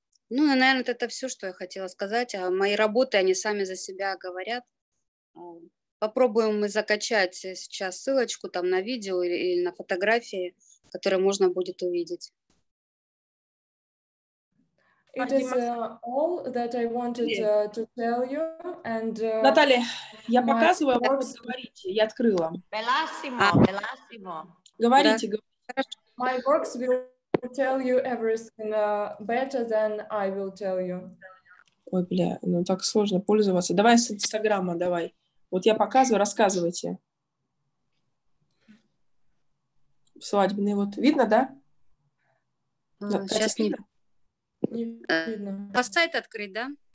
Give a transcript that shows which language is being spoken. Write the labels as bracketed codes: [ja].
[ru] Ну, наверное, это все, что я хотела сказать. А мои работы, они сами за себя говорят. Попробуем мы закачать сейчас ссылочку там на видео или на фотографии, которые можно будет увидеть. [en] It is all that I wanted to tell you. And [ru] Наталья, я показываю, вы говорите, я открыла. Belassimo. Говорите, говорите. [en] My works will tell you everything better than I will tell you. [ru] Ой, бля, ну так сложно пользоваться. Давай с Инстаграма, давай. Вот я показываю, рассказывайте. Свадебный вот. Видно, да? Сейчас видно. Не видно. А сайт открыть, да?